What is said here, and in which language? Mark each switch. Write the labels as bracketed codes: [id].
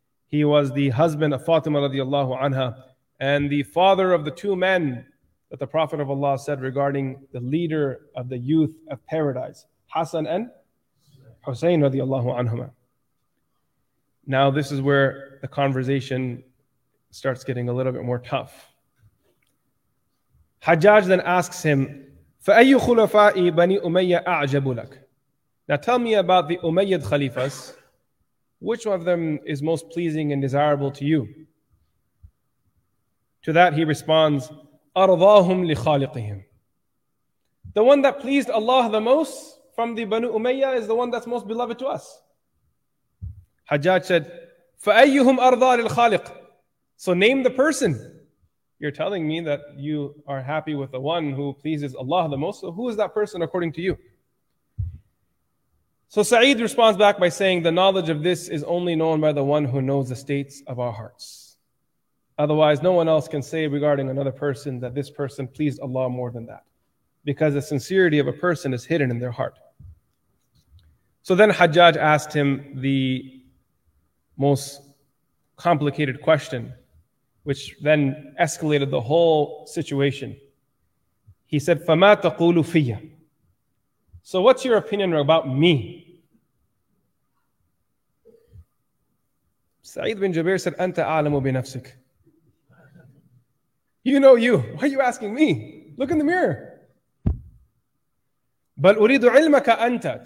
[en] He was the husband of Fatima radiallahu anha, and the father of the two men that the Prophet of Allah said regarding the leader of the youth of paradise, Hassan and Hussein radiallahu anhuma. Now this is where the conversation starts getting a little bit more tough. Hajjaj then asks him, [ar] فَأَيُّ خُلَفَاءِ بَنِي أُمَيَّ أَعْجَبُ لَكَ. [en] Now tell me about the Umayyad Khalifas. Which one of them is most pleasing and desirable to you? To that he responds, [ar] أَرْضَاهُمْ لِخَالِقِهِمْ. [en] The one that pleased Allah the most from the Banu Umayyah is the one that's most beloved to us. Hajjaj said, [ar] فَأَيُّهُمْ أَرْضَى لِلْخَالِقِ. [en] So name the person. You're telling me that you are happy with the one who pleases Allah the most. So who is that person according to you? So Sa'id responds back by saying, the knowledge of this is only known by the one who knows the states of our hearts. Otherwise, no one else can say regarding another person that this person pleased Allah more than that. Because the sincerity of a person is hidden in their heart. So then Hajjaj asked him the most complicated question, which then escalated the whole situation. He said, [ar] فَمَا تَقُولُ فِيَّ. [en] So what's your opinion about me? Sa'id bin Jubair said, [ar] أَنْتَ أَعْلَمُ بِنَفْسِكَ. [en] You know you. Why are you asking me? Look in the mirror. [ar] بَلْ أُرِيدُ عِلْمَكَ أَنْتَ.